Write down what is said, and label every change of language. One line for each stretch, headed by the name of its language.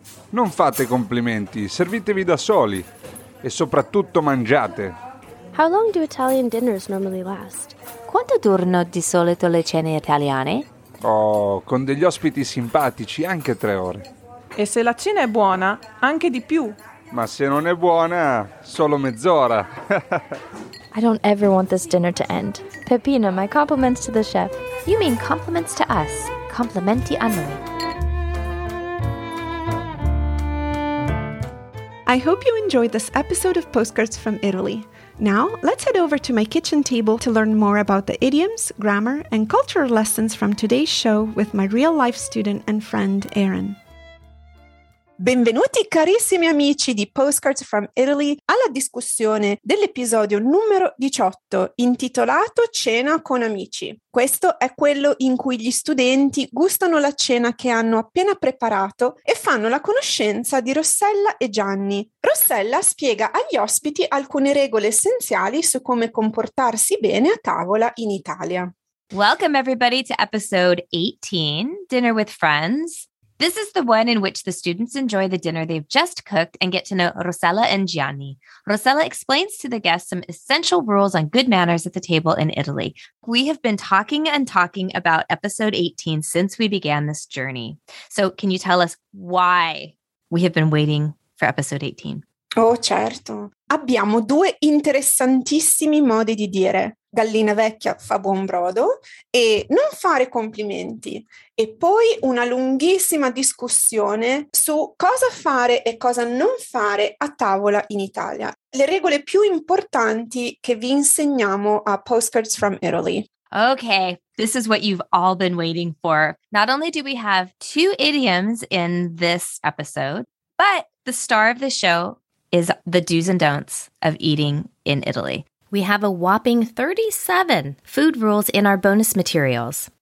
Italian: Non fate complimenti, servitevi da soli e soprattutto mangiate.
English: How long do Italian dinners normally last?
Italian: Quanto durano di solito le cene italiane? Oh, con degli ospiti simpatici anche 3 ore. E se la cena è buona, anche di più. Ma se non è buona, solo mezz'ora.
English: I don't ever want this dinner to end. Peppino, my compliments to the chef. You mean compliments to us.
Italian: Complimenti a noi.
English: I hope you enjoyed this episode of Postcards from Italy. Now, let's head over to my kitchen table to learn more about the idioms, grammar, and cultural lessons from today's show with my real-life student and friend, Erin.
Italian: Benvenuti carissimi amici di Postcards from Italy alla discussione dell'episodio numero 18 intitolato Cena con amici. Questo è quello in cui gli studenti gustano la cena che hanno appena preparato e fanno la conoscenza di Rossella e Gianni. Rossella spiega agli ospiti alcune regole essenziali su come comportarsi bene a tavola in Italia.
English: Welcome everybody to episode 18, Dinner with Friends. This is the one in which the students enjoy the dinner they've just cooked and get to know Rossella and Gianni. Rossella explains to the guests some essential rules on good manners at the table in Italy. We have been talking and talking about episode 18 since we began this journey. So can you tell us why we have been waiting for episode 18?
Italian: Oh, certo. Abbiamo due interessantissimi modi di dire. Gallina vecchia fa buon brodo e non fare complimenti. E poi una lunghissima discussione su cosa fare e cosa non fare a tavola in Italia. Le regole più importanti che vi insegniamo a Postcards from Italy.
English: Okay, this is what you've all been waiting for. Not only do we have 2 idioms in this episode, but the star of the show is the do's and don'ts of eating in Italy. We have a whopping 37 food rules in our bonus materials.